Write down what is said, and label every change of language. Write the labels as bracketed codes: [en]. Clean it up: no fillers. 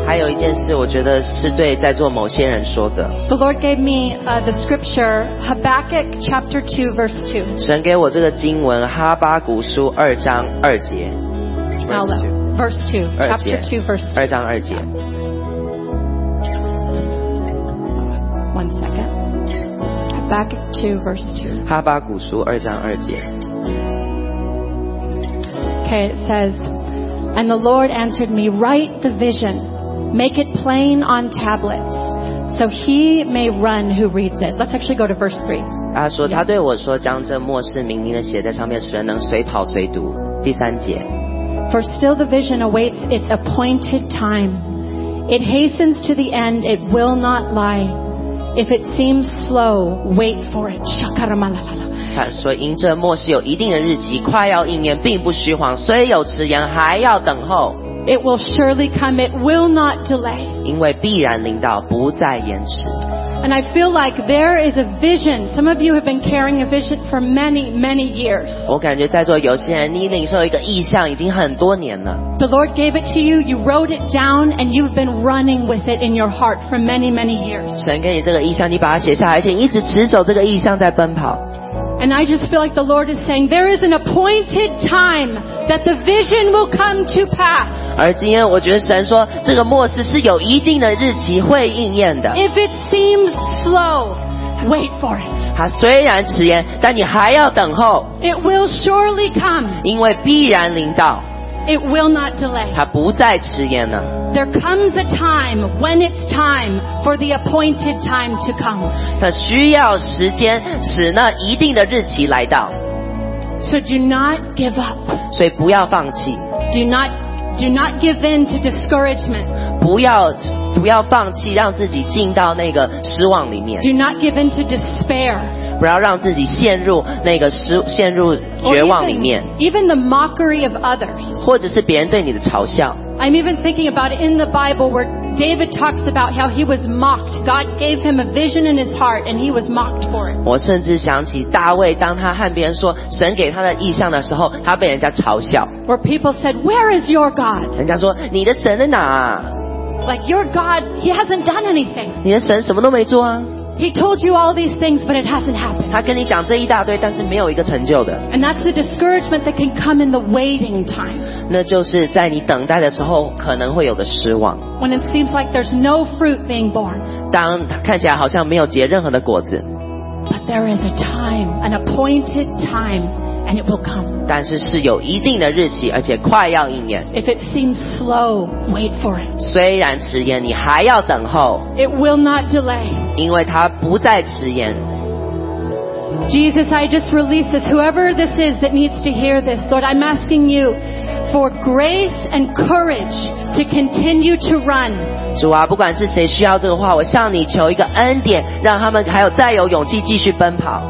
[zh] 还有一件事，我觉得是对在座某些人说的。 [en] The Lord gave me the scripture Habakkuk chapter 2 verse 2. [zh] 神给我这个经文，哈巴谷书二章二节。 [en] Verse 2. Chapter 2 verse 2. [zh] 二章二节。 [en] Habakkuk 2 verse 2. [zh] 哈巴谷书二章二节。 [en] Okay, it says, And the Lord answered me, Write the vision, make it plain on tablets, so he may run who reads it. Let's actually go to verse 3. [zh] 他说，他对我说，将这默示明明的写在上面，使人能随跑随读。第三节。 [en] For still the vision awaits its appointed time. It hastens to the end, it will not lie. If it seems slow, wait for it. Shakaramalala. [zh] 他说：“因这末世有一定的日期，快要应验，并不虚谎。虽有迟延，还要等候。 [en] It will surely come. It will not delay. [zh] 因为必然临到，不再延迟。 [en] And I feel like there is a vision. Some of you have been carrying a vision for many, many years. [zh] 我感觉在座有些人，你领受一个意象已经很多年了。 [en] The Lord gave it to you. You wrote it down, and you've been running with it in your heart for many, many years. [zh] 神给你这个意象，你把它写下来，而且一直持守这个意象在奔跑。” [en] And I just feel like the Lord is saying there is an appointed time that the vision will come to pass. [zh] 而今天我觉得神说这个末世是有一定的日期会应验的。 [en] If it seems slow, wait for it. [zh] 它虽然迟延，但你还要等候。 [en] It will surely come. [zh] 因为必然临到。 [en] It will not delay. [zh] 它不再迟延了。 [en] There comes a time when it's time for the appointed time to come. [zh] 它需要时间使那一定的日期来到。 [en] So do not give up. [zh] 所以不要放弃。 [en] Do not give in to discouragement. [zh] 不要放弃，让自己进到那个失望里面。 [en] Do not give in to despair. [zh] 不要让自己陷入那个陷入绝望里面。 [en] Even the mockery of others. [zh] 或者是别人对你的嘲笑。 [en] I'm even thinking about it in the Bible where David talks about how he was mocked. God gave him a vision in his heart and he was mocked for it. [zh] 我甚至想起大卫，当他和别人说神给他的意象的时候，他被人家嘲笑。 [en] Where people said, "Where is your God?" [zh] 人家说你的神在哪？ [en] Like your God, he hasn't done anything. [zh] 你的神什么都没做啊。 [en] He told you all these things, but it hasn't happened. [zh] 他跟你讲这一大堆，但是没有一个成就的。 [en] And that's the discouragement that can come in the waiting time. [zh] 那就是在你等待的时候可能会有的失望。 [en] When it seems like there's no fruit being born. [zh] 当看起来好像没有结任何的果子。 [en] But there is a time, an appointed time, and it will come. [zh] 但是是有一定的日期，而且快要应验。 [en] If it seems slow, wait for it. [zh] 虽然迟延，你还要等候。 [en] It will not delay. [zh] 因为他不再迟延。 [en] Jesus, I just release this. Whoever this is that needs to hear this, Lord, I'm asking you for grace and courage to continue to run. [zh] 主啊，不管是谁需要这个话，我向你求一个恩典，让他们还有再有勇气继续奔跑。